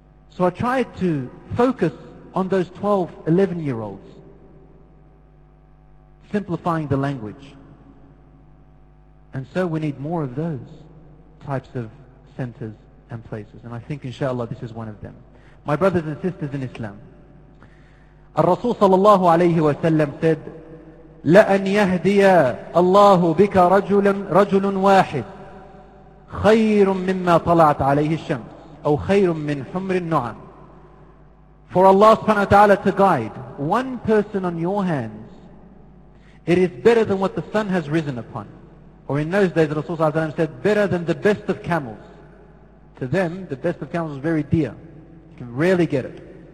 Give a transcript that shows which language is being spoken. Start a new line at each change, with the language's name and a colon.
English: So I tried to focus on those 12, 11-year-olds, simplifying the language. And so we need more of those types of centers and places. And I think, inshallah, this is one of them. My brothers and sisters in Islam, Rasul sallallahu alayhi wa sallam said,
Arabic: لَأَنْ يَهْدِيَ اللَّهُ بِكَ رَجُلٌ وَاحِدٌ خَيْرٌ مِّمَّا طَلَعَتْ عَلَيْهِ الشَّمْسِ أَوْ خَيْرٌ مِّنْ حُمْرِ النُّعَمِ.
English: For Allah subhanahu wa ta'ala to guide one person on your hands, it is better than what the sun has risen upon. Or in those days, Rasul sallallahu alayhi wa sallam said, better than the best of camels. To them, the best of camels is very dear. You can rarely get it.